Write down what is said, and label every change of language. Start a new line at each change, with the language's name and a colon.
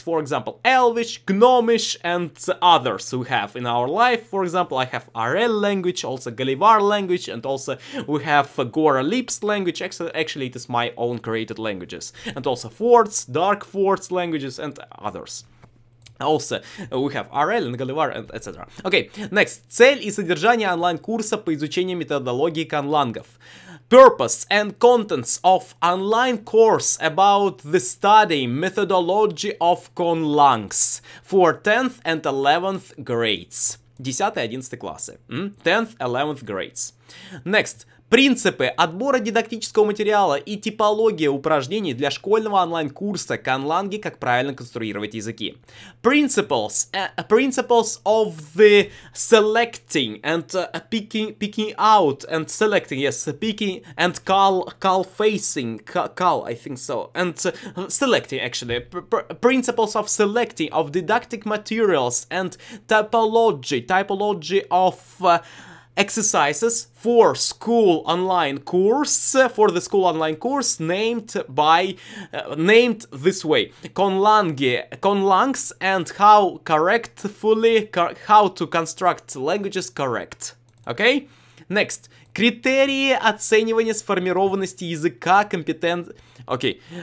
English: For example, Elvish, Gnomish, and others we have in our life. For example, I have Arel language, also Galivar language, and also we have Gora Lips language. Actually, it is my own created languages. And also Forts, Dark Forts languages, and others. Also, we have RL and Galivar and etc. Okay, next.
Russian: Цель и содержание онлайн-курса по изучению методологии конлангов.
English: Purpose and contents of online course about the study methodology of conlangs for 10th and 11th grades. 10th
Russian: и
English: 11th
Russian: классы.
English: 10th, 11th grades. Next.
Russian: Принципы отбора дидактического материала и типология упражнений для школьного онлайн-курса «Конланги. Как правильно конструировать языки».
English: Principles, principles of the selecting and picking out and selecting, yes, picking and call facing, call, I think so, and selecting, actually. Principles of selecting of didactic materials and typology of... exercises for school online course, for the school online course named by, named this way, конланги, конлангs, and how correctfully, how to construct languages correct. Okay? Next.
Russian: Критерии оценивания сформированности языка компетент... Окей.